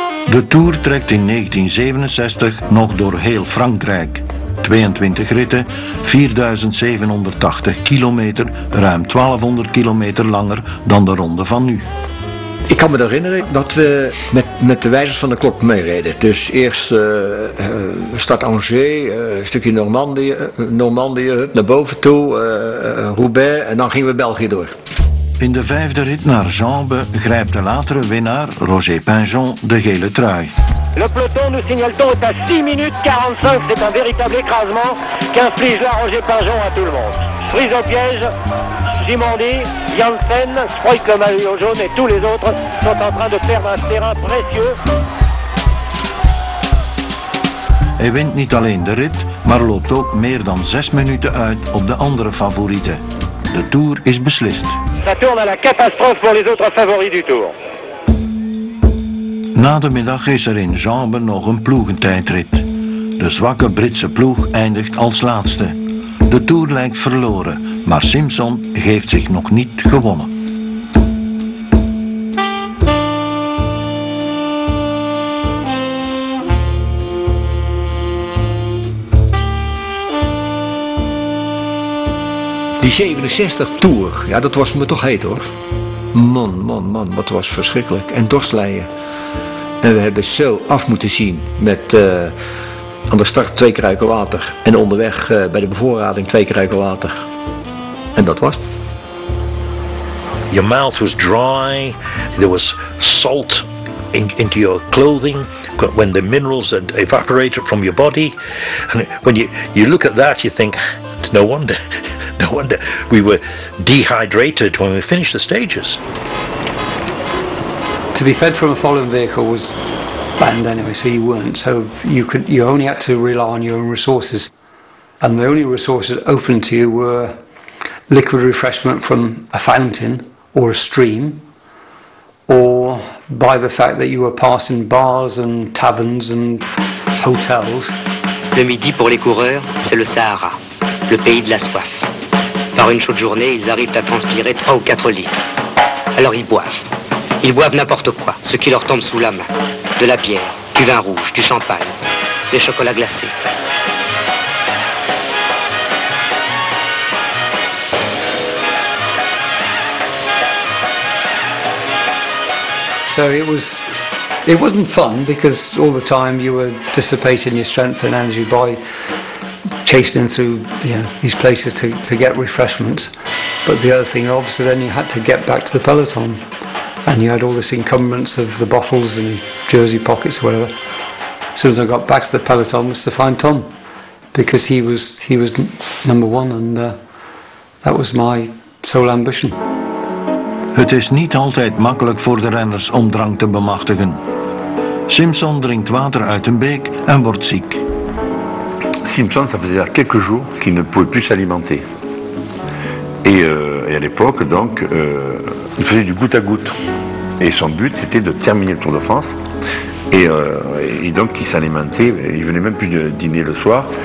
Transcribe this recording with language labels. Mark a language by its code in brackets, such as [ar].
[nl] De Tour trekt in 1967 nog door heel Frankrijk. 22 ritten, 4780 kilometer, ruim 1200 kilometer langer dan de ronde van nu. Ik kan me herinneren dat we met de wijzers van de klok meereden. Dus eerst start Angers, een stukje Normandië, naar boven toe, Roubaix, en dan gingen we België door. In de vijfde rit naar Jambes grijpt de latere winnaar, Roger Pinjon, de gele trui. [fr] Le peloton, nous signalons, est à 6 minutes 45. C'est un véritable écrasement qu'inflige là Roger Pinjon à tout le monde. Prise au piège. Gimondi, Janssen, Spreuk, Maillot Jaune et tous les autres sont en train de perdre un terrain précieux. [nl] Hij wint niet alleen de rit, maar loopt ook meer dan 6 minuten uit op de andere favorieten. De Tour is beslist. [fr] Ça tourne à la catastrophe pour les autres favoris du Tour. [nl] Na de middag is er in Jambes nog een ploegentijdrit. De zwakke Britse ploeg eindigt als laatste. De Tour lijkt verloren, maar Simpson geeft zich nog niet gewonnen. Die 67 Tour, ja, dat was me toch heet hoor. Man, wat was verschrikkelijk. En dorstlijden. En we hebben zo af moeten zien met... Aan de start 2 kruiken water en onderweg bij de bevoorrading 2 kruiken water. En dat was het. [en] Your mouth was dry, there was salt into your clothing when the minerals had evaporated from your body. And when you look at that, you think, no wonder we were dehydrated when we finished the stages. To be fed from a following vehicle was... And anyway, so you weren't. So you only had to rely on your own resources. And the only resources open to you were liquid refreshment from a fountain or a stream, or by the fact that you were passing bars and taverns and hotels. [fr] Le midi pour les coureurs, c'est le Sahara, le pays de la soif. Par une chaude journée, ils arrivent à transpirer 3 ou 4 litres. Alors ils boivent. Ils boivent n'importe quoi, ce qui leur tombe sous la main. De la bière, du vin rouge, du champagne, des chocolats glacés. [en] So it wasn't fun, because all the time you were dissipating your strength and energy by chasing through, you know, these places to get refreshments. But the other thing, obviously, then you had to get back to the peloton. And you had all this encumbrance of the bottles and jersey pockets, whatever. As soon as I got back to the peloton, was to find Tom, because he was number one, and that was my sole ambition. [nl] Het is niet altijd makkelijk voor de renners om drank te bemachtigen. Simpson drinkt water uit een beek en wordt ziek. [fr] Simpson, ça faisait quelques jours qu'il ne pouvait plus s'alimenter. Et, et à l'époque, donc, il faisait du goutte à goutte. Et son but, c'était de terminer le Tour de France. Et donc, il s'alimentait, il venait même plus dîner le soir.